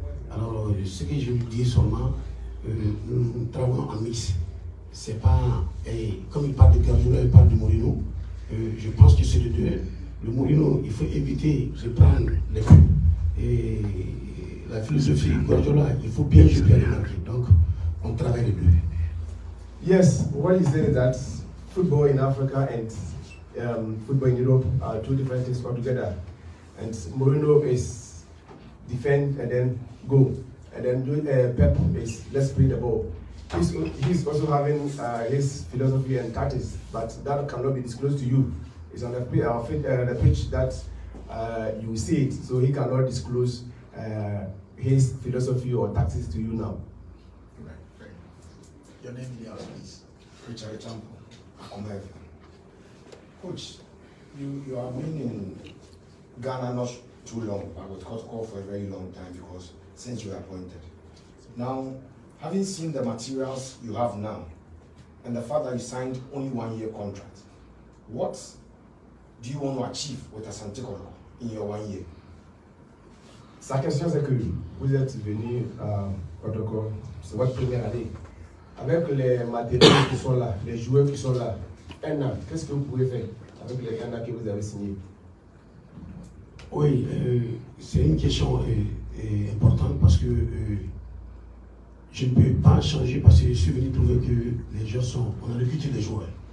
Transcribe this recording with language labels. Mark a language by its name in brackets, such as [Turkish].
[French] Alors, ce que je veux dire seulement, nous travaillons en mix. C'est pas, comme il parle de Guardiola, il parle de Mourinho, je pense que c'est les deux. Le Mourinho, il faut éviter de prendre les coups. Et la philosophie Guardiola, il faut bien jouer les marques. Donc, on travaille les deux. [English] Yes, what you say is that football in Africa and football in Europe are two different things altogether. And Mourinho is defend and then go. And then Pep is let's play the ball. He's also having his philosophy and tactics, but that cannot be disclosed to you. It's on the pitch that you see it, so he cannot disclose his philosophy or tactics to you now. Your name is Leon, please. Richard Champo. Akumaeva. Coach, you have been in Ghana not too long, but with Kotoko for a very long time because since you were appointed. Now, having seen the materials you have now, and the fact that you signed only 1 year contract, what do you want to achieve with Asante Kotoko in your 1 year? [French] Sa question c'est que vous êtes venu à Kotoko, c'est votre première année. Avec les matériaux qui sont là, les joueurs qui sont là, un an, qu'est-ce que vous pouvez faire avec les gars que vous avez signés? Oui, c'est une question importante parce que je ne peux pas changer parce que je suis venu trouver que les joueurs sont. On a recruté des joueurs.